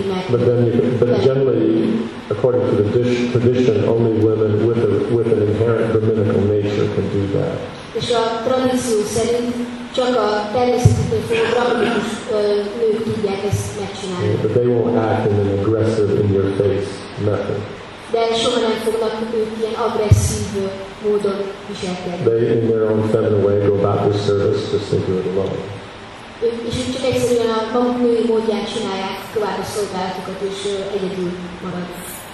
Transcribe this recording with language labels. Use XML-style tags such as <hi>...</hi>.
<en>But then, but generally, according to the tradition, only women with an inherent feminine nature can do that.</en> <hu>És a tradíció szerint csak a természetesen grammatikus nők tudják ezt megcsinálni.</hu> <en>Yeah, but they won't act in an aggressive, in-your-face method.</en> <hu>De soha nem fognak ők ilyen agresszív módon viselkedni.</hu> <en>They, in their own feminine way, go about this service just to do it alone.</en> <hu>És ők csak egyszerűen a maguk női módján csinálják tovább a szolgálatokat, és egyedül maradnak.</hu>